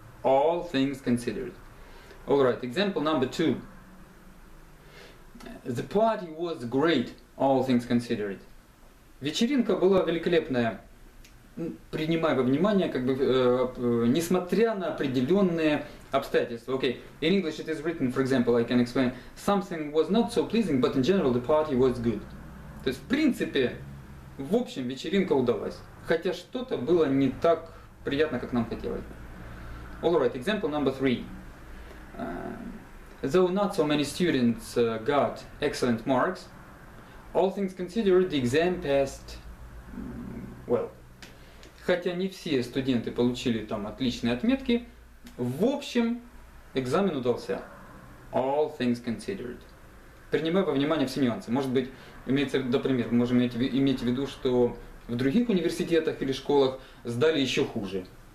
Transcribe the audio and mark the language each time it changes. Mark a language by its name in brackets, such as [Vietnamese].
[English] All things considered. All right, example number two. The party was great, all things considered. [Russian] Вечеринка была великолепная. Принимая во внимание, как бы, несмотря на определенные обстоятельства. [English] Okay, in English it is written, for example, I can explain, something was not so pleasing, but in general the party was good. [Russian] То есть, в принципе, в общем, вечеринка удалась. Хотя что-то было не так приятно, как нам хотелось. [English] All right, example number three. Though not so many students got excellent marks, all things considered, the exam passed well. [Russian] Хотя не все студенты получили там отличные отметки, в общем, экзамен удался. [English] All things considered. [Russian] Принимая во внимание все нюансы. Может быть, имеется, например, мы можем иметь в виду, что в других университетах или школах сдали еще хуже.